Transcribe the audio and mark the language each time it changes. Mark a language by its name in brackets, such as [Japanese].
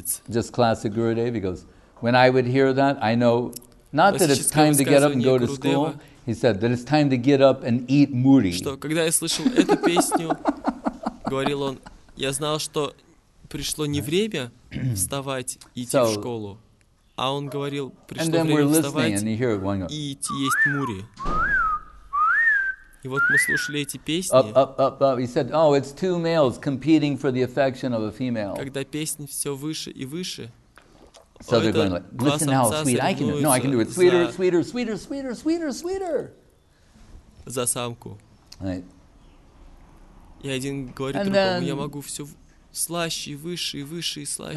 [English] Just classic Gurudev. He goes, "When I would hear that, I know not that it's time to get up and go to school." He said that it's time to get up and eat muri. [Russian] Что когда я слышал эту песню? Говорил он, я знал, что пришло не время вставать и идти в школу, а он говорил, пришло время вставать и идти есть мури. И вот мы слушали эти песни. [English] Up, up, up, up. He said, oh, it's two males competing for the affection of a female. [Russian] Когда песни все выше и выше. [English] So they're going like, listen how sweet I can do it. No, I can do it sweeter, sweeter, sweeter, sweeter, sweeter, sweeter. [Russian] За самку. [English] Right. [Russian] И один говорит and другому, then, я могу все слаще, выше, выше, слаще,